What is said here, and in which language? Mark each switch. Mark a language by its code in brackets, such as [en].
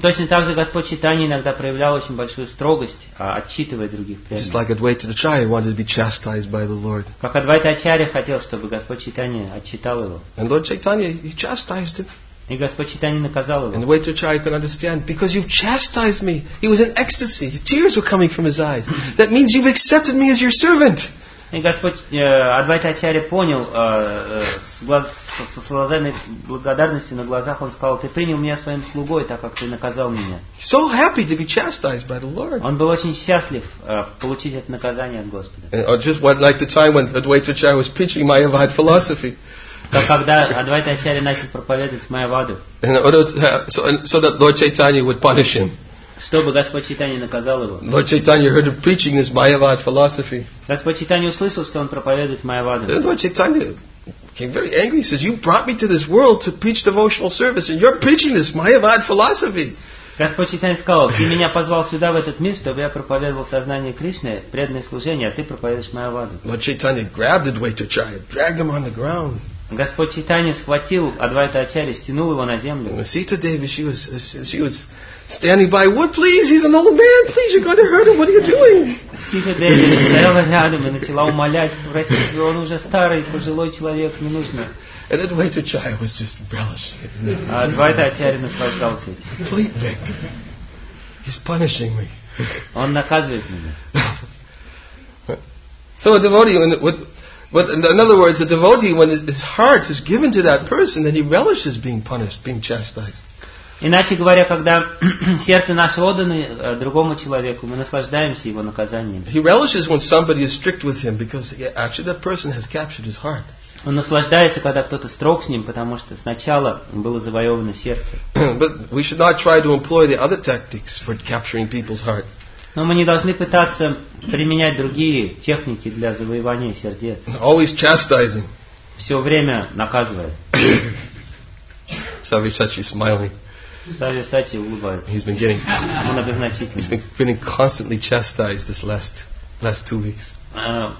[ru] Точно так же Господь Чайтанья иногда проявлял очень большую строгость, отчитывая других преданных. [en] Just like Advaita Acharya wanted to be chastised by the Lord. [ru] Как Адвайта Ачарья хотел, чтобы Господь Чайтанья отчитал его. [en] And Lord Chaitanya, he chastised him. [ru] И Господь Чайтанья наказал его. [en] And Advaita Acharya could understand, because you've chastised me. He was in ecstasy. Tears were coming from his eyes. That means you've accepted me as your servant. [ru] И Господь Адвайта Ачарья понял со слезами благодарности на глазах, он сказал: «Ты принял меня своим слугой, так как ты наказал меня». [en] So happy to be chastised by the Lord. [ru] Он был очень счастлив получить это наказание от Господа. [en] And just what, like the time when Advaita Acharya was preaching Mayavada philosophy. [ru] Когда Адвайта Ачарья начал проповедовать Майяваду. [en] So that Lord Chaitanya would punish him. [ru] Чтобы Господь Чайтанья наказал его. [en] Lord Chaitanya heard him preaching this Mayavada philosophy. [ru] Господь Чайтанья услышал, что он проповедует Майяваду. [en] Lord Chaitanya became very angry. He says, "You brought me to this world to preach devotional service, and you're preaching this Mayavada philosophy." [ru] Господь Чайтанья сказал: "Ты меня позвал сюда в этот мир, чтобы я проповедовал сознание Кришны, преданное служение, а ты проповедуешь Майяваду." [en] Lord Chaitanya grabbed Advaita Acharya, dragged him on the ground. [ru] Господь Чайтанья схватил Адвайта Ачарью, стянул его на землю. [en] And Sita Devi, she was standing by, "What, please, he's an old man, please, you're going to hurt him, what are you doing?" [ru] Sita Devi стояла рядом и начала умолять, простите, он уже старый, пожилой человек, не нужно. [en] And Advaita Acharya was just relishing it. [ru] Адвайта Ачарья наслаждался этим. [en] Complete victim. He's punishing me. [ru] Он наказывает меня. [en] So a devotee, but in other words, a devotee, when his heart is given to that person, then he relishes being punished, being chastised. [ru] Иначе говоря, когда сердце наше отдано другому человеку, мы наслаждаемся его наказанием. [en] He relishes when somebody is strict with him, because actually that person has captured his heart. [ru] Он наслаждается, когда кто-то строг с ним, потому что сначала было завоевано сердце. [en] But we should not try to employ the other tactics for capturing people's heart. [ru] Но мы не должны пытаться применять другие техники для завоевания сердец. [en] Always chastising. [ru] Все время наказывая. [en] Савишачи smiling. [ru] Савишачи улыбается. [en] He's been getting [ru] многозначительно. [en] He's been constantly chastised this last 2 weeks.